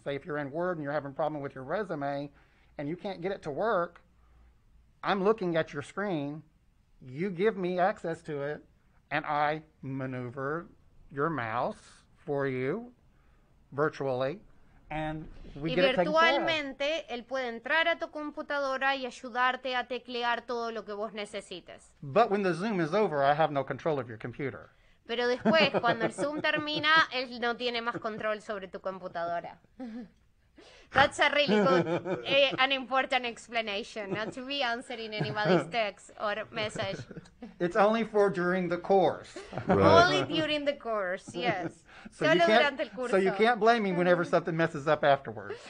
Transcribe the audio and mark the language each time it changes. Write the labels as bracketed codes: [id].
[en] Say if you're in Word and you're having a problem with your resume and you can't get it to work, I'm looking at your screen. You give me access to it, and I maneuver your mouse for you virtually, and we get it taken care of. [es] Y virtualmente, él puede entrar a tu computadora y ayudarte a teclear todo lo que vos necesites. [en] But when the Zoom is over, I have no control of your computer. [es] Pero después, cuando el Zoom termina, él no tiene más control sobre tu computadora. [en] That's a really good, an important explanation, not to be answering anybody's text or message. It's only for during the course. Right. Only during the course, yes. [es] So solo durante el curso. [en] So you can't blame me whenever something messes up afterwards.